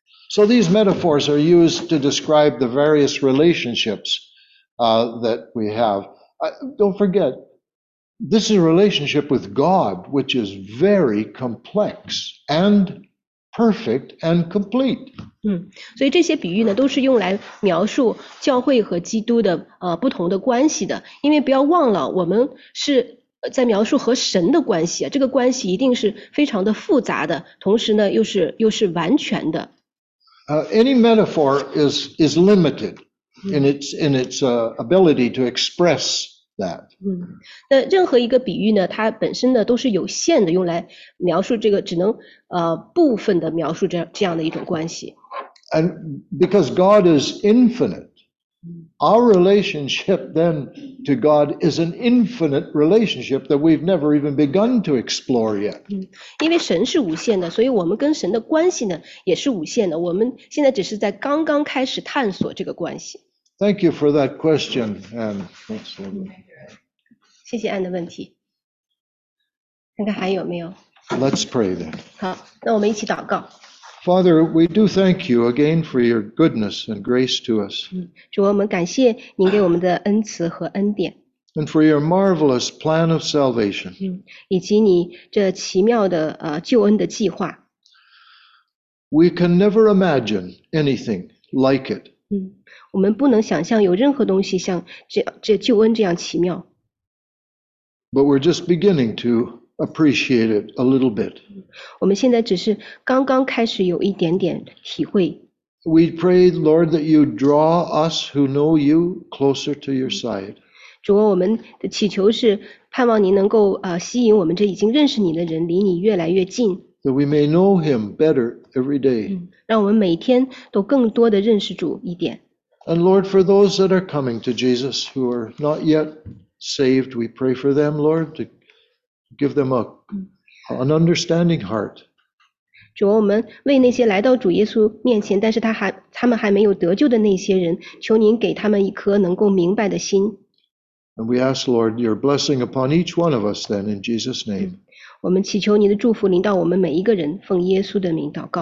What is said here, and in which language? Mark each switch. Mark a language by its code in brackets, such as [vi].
[en] So these metaphors are used to describe the various relationships that we have. Don't forget, this is a relationship with God, which is very complex and perfect and complete. [zh] 所以这些比喻呢，都是用来描述教会和基督的不同的关系的。因为不要忘了，我们是在描述和神的关系，这个关系一定是非常的复杂的，同时呢，又是完全的。 [en] Any metaphor is limited in its ability to express that. [zh] 那任何一个比喻呢，它本身呢都是有限的，用来描述这个只能部分的描述这样的一种关系。 [en] And because God is infinite, our relationship then to God is an infinite relationship that we've never even begun to explore yet. [zh] 因为神是无限的，所以我们跟神的关系呢也是无限的，我们现在只是在刚刚开始探索这个关系。 [en] Thank you for that question, Anne. [zh] 谢谢 Anne 的问题。看看还有没有。 [en] Let's pray then. [zh] 好，那我们一起祷告。 [en] Father, we do thank you again for your goodness and grace to us. [zh] 主，我们感谢您给我们的恩慈和恩典。 [en] And for your marvelous plan of salvation. [zh] 以及你这奇妙的救恩的计划。 [en] We can never imagine anything like it. [zh] 我们不能想象有任何东西像这救恩这样奇妙。 [en] But we're just beginning to appreciate it a little bit. [zh] 我们现在只是刚刚开始有一点点体会。 [en] We pray, Lord, that you draw us who know you closer to your side. [zh] 主啊，我们的祈求是盼望您能够吸引我们这已经认识你的人离你越来越近。 [en] That we may know him better every day. [zh] 让我们每天都更多的认识主一点。 [en] And Lord, for those that are coming to Jesus who are not yet saved, we pray for them, Lord, to give them an understanding heart. [zh] 主，我们为那些来到主耶稣面前，但是他们还没有得救的那些人，求您给他们一颗能够明白的心。 [en] And we ask, Lord, your blessing upon each one of us then in Jesus' name. [zh] 我们祈求您的祝福临到我们每一个人，奉耶稣的名祷告。